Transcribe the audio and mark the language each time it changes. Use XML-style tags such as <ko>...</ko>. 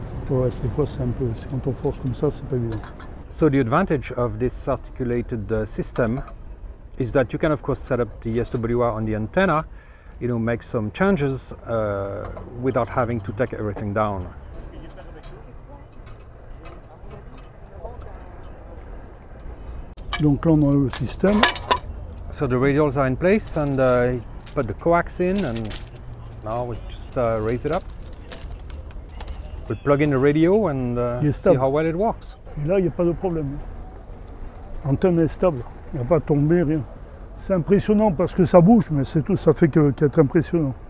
<fr>Ouais, des fois, c'est un peu, quand on force comme ça, c'est pas évident.</fr> <en>So the advantage of this articulated system is that you can, of course, set up the SWR on the antenna, you know, make some changes without having to take everything down.</en> <fr>Donc là, on a le système.</fr> <en>So the radials are in place, and I put the coax in, and now we just raise it up. We plug in the radio and see how well it works.</en> <fr>Et là, il n'y a pas de problème. L'antenne est stable, il n'y a pas tombé, rien. C'est impressionnant parce que ça bouge, mais c'est tout, ça fait qu'être impressionnant.</fr>